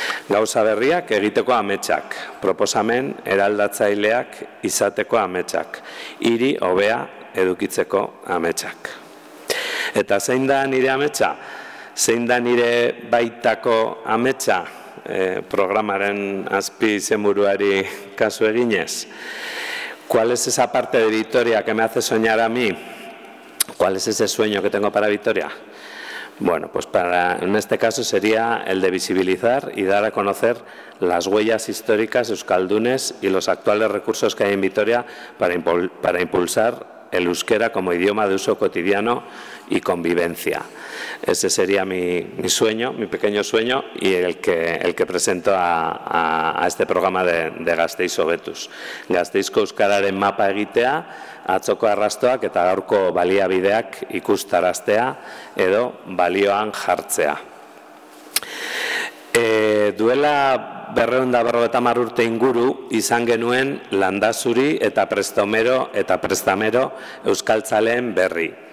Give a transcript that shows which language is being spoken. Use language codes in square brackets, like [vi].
[eu] Gauza berriak egiteko ametsak, proposamen eraldatzaileak izateko ametsak, hiri hobea edukitzeko ametsak. Eta zein da nire ametsa? Zein da nire baitako ametsa programaren azpi izenburuari kasu eginez? [es] ¿Cuál es esa parte de Vitoria que me hace soñar a mí? ¿Cuál es ese sueño que tengo para Vitoria? Bueno, pues en este caso sería el de visibilizar y dar a conocer las huellas históricas euskaldunes y los actuales recursos que hay en Vitoria para impulsar el euskera como idioma de uso cotidiano y convivencia. Ese sería mi sueño, mi pequeño sueño, y el que presento a este programa de Gasteiz Hobetuz. [eu] Gasteizko euskararen mapa egitea, atzoko arrastoak eta gaurko baliabideak ikustaraztea edo balioan jartzea. Duela 250 urte inguru izan genuen Landazuri eta Prestomero eta Prestamero euskaltzaleen berri.